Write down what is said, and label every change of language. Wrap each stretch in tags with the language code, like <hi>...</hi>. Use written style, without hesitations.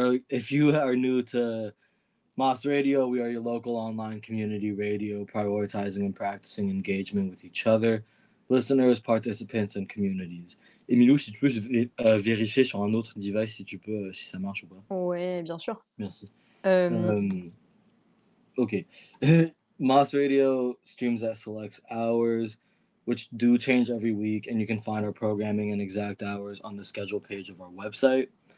<en>If you are new to Moss Radio, we are your local online community radio, prioritizing and practicing engagement with each other, listeners, participants, and communities.</en> <fr>Emilio, si tu peux vérifier sur un autre device si tu peux, si ça marche ou pas. Oui, bien sûr. Merci.</fr> <en>Okay. Moss Radio streams at select hours, which do change every week, and you can find our programming and exact hours on the schedule page of our website.</en>